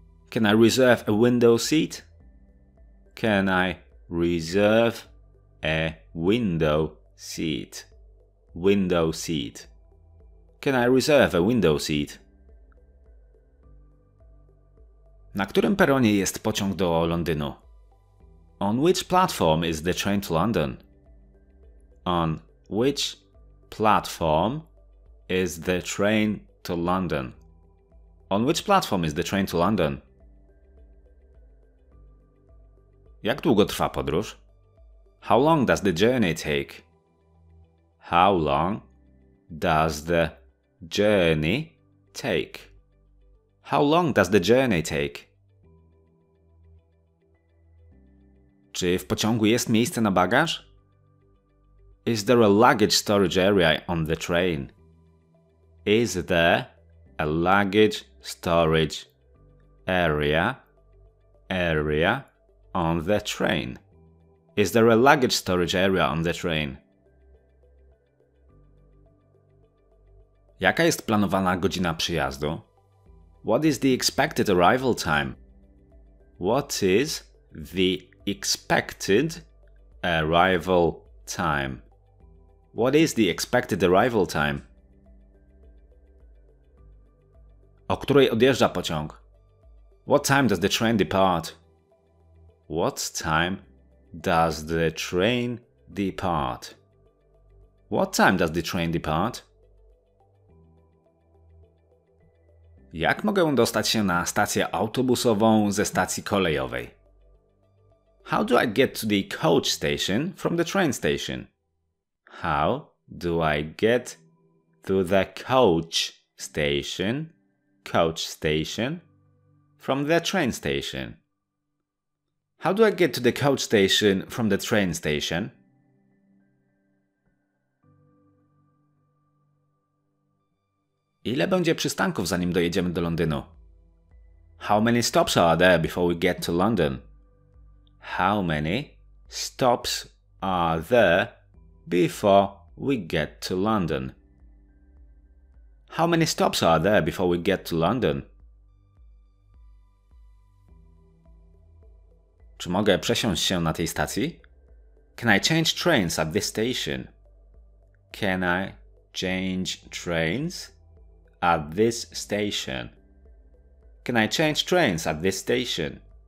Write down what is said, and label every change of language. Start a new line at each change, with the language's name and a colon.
English: Can I reserve a window seat? Can I reserve a window seat? Window seat. Can I reserve a window seat?
Polish: Na którym peronie jest pociąg do Londynu?
English: On which platform is the train to London? On which platform is the train to London? On which platform is the train to London?
Polish: Jak długo trwa podróż?
English: How long does the journey take? How long does the journey take? How long does the journey take?
Polish: Czy w pociągu jest miejsce na bagaż?
English: Is there a luggage storage area on the train? Is there a luggage storage area on the train? Is there a luggage storage area on the train?
Polish: Jaka jest planowana godzina przyjazdu?
English: What is the expected arrival time? What is the expected arrival time? What is the expected arrival time?
Polish: O której odjeżdża pociąg?
English: What time does the train depart? What time does the train depart? What time does the train depart?
Polish: Jak mogę dostać się na stację autobusową ze stacji kolejowej?
English: How do I get to the coach station from the train station? How do I get to the coach station from the train station? How do I get to the coach station from the train station?
Polish: Ile będzie przystanków zanim dojedziemy do Londynu?
English: How many stops are there before we get to London? How many stops are there before we get to London? How many stops are there before we get to London?
Polish: Czy mogę przesiąść się na tej stacji?
English: Can I change trains at this station? Can I change trains at this station? Can I change trains at this station?